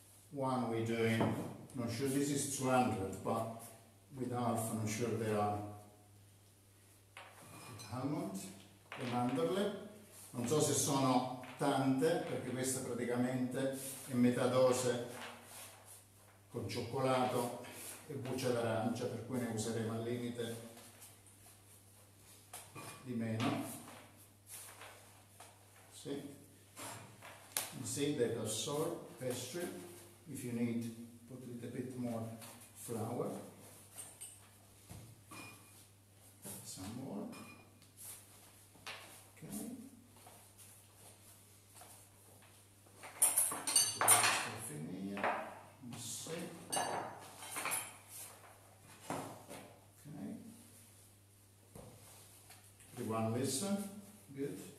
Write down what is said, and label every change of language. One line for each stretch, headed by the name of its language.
English: One we're doing, not sure, this is 200, but with half, I'm sure there are almond, the mandorle.
Italian: Non so se sono tante, perché questa praticamente è metà dose con cioccolato e buccia d'arancia, per cui ne useremo al limite di meno.
English: See, you see that a sort pastry, if you need, put a little bit more flour, some more, okay, stuff in here, you see, okay, everyone listen, good.